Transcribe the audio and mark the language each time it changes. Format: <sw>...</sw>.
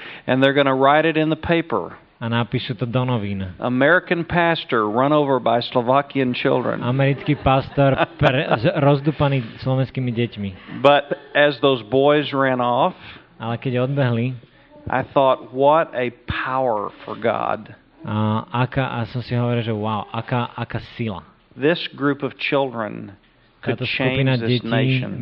<en>And they're going to write it in the paper.</en> <sk>A napíšu to do novín.</sk> <en>American pastor run over by Slovakian children.</en> <sk>Americký pastor rozdupaný slovenskými deťmi.</sk> <en>But as those boys ran off,</en> <sk>ale keď odbehli,</sk> <en>I thought, what a power for God.</en> <sk>A som si hovoril, že wow, aká sila.</sk> <en>This group of children could change this nation.</en>